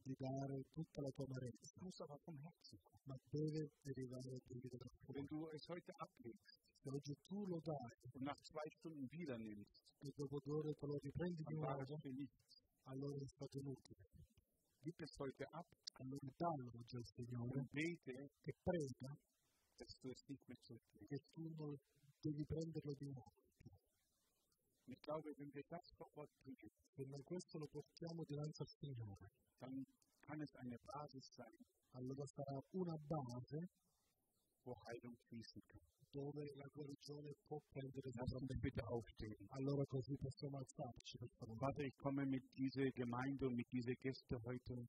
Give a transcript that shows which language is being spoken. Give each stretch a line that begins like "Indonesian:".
Italian: Di dare tutta la tua amarezza.
German: Muss aber vom Herzen.
Italian: Ma deve derivare quindi dal cuore.
German: Wenn du es heute ablegst,
Italian: se oggi tu lo dai,
German: und nach zwei Stunden wieder nimmst,
Italian: e dopo due ore te lo riprendi di nuovo, allora è stato inutile.
German: Gib es heute ab,
Italian: allora dallo oggi al Signore,
German: und bete,
Italian: che prega,
German: dass du es nicht mehr zurückgibst,
Italian: che tu non devi prenderlo di nuovo.
German: Ich glaube, wenn wir das vor Ort bringen, wenn wir
Italian: questo lo portiamo dinanzi al Signore,
German: dann kann es eine Basis sein.
Italian: Allora sarà una base fisica, dove la guarigione può prendere sopravvento. Allora così possiamo alzarci.
German: Padre, ich komme mit dieser Gemeinde und mit dieser Gäste heute